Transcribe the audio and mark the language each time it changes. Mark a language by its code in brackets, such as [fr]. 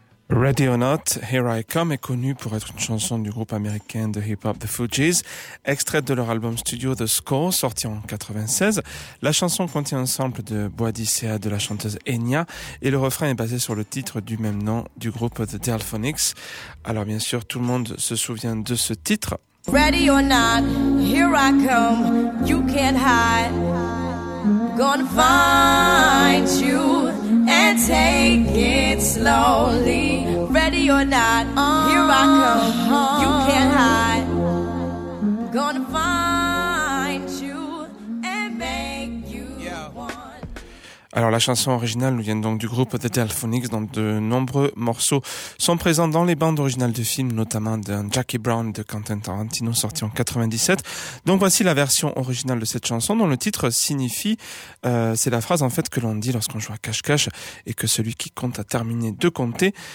[fr] Ready or Not, Here I Come est connue pour être une chanson du groupe américain de hip-hop The Fugees, extraite de leur album studio The Score, sorti en 96. La chanson contient un sample de Boadicea de la chanteuse Enya et le refrain est basé sur le titre du même nom du groupe The Delphonics. Alors bien sûr, tout le monde se souvient de ce titre. [en] Ready or not, here I come, you can't hide. Gonna find you and take it slowly. Ready or not, here I come, you can't hide. Gonna find you and make you one. [fr] Alors la chanson originale nous vient donc du groupe The Delphonics, dont de nombreux morceaux sont présents dans les bandes originales de films, notamment d'un Jackie Brown de Quentin Tarantino sorti en 97. Donc voici la version originale de cette chanson dont le titre signifie, c'est la phrase en fait que l'on dit lorsqu'on joue à cache-cache et que celui qui compte a terminé de compter.